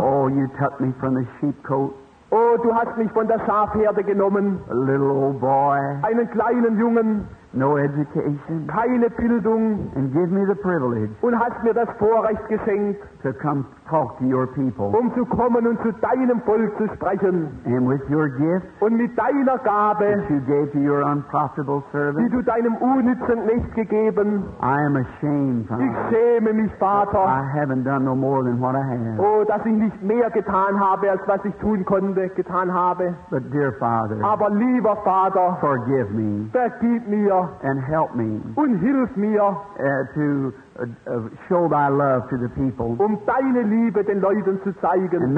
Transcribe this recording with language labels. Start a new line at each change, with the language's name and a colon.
English: Oh, you took me from the sheep coat.
German: Oh, du hast mich von der Schafherde genommen.
English: A little old boy.
German: Einen kleinen Jungen.
English: No education.
German: Keine Bildung.
English: And give me the privilege.
German: Und hast mir das Vorrecht geschenkt.
English: To come talk to your people.
German: Um zu kommen und zu deinem Volk zu sprechen.
English: And with your gift.
German: Und mit deiner Gabe.
English: That you gave to your unprofitable servant.
German: Die du deinem unnützen Knecht gegeben.
English: I am ashamed, Father.
German: Ich schäme mich, Vater.
English: I haven't done no more than what I have.
German: Oh, dass ich nicht mehr getan habe, als was ich tun konnte, getan habe.
English: But dear Father.
German: Aber lieber Vater.
English: Forgive me.
German: Vergib mir.
English: And help me.
German: Und hilf mir.
English: To show thy love to the people.
German: Um deine Liebe den Leuten zu zeigen.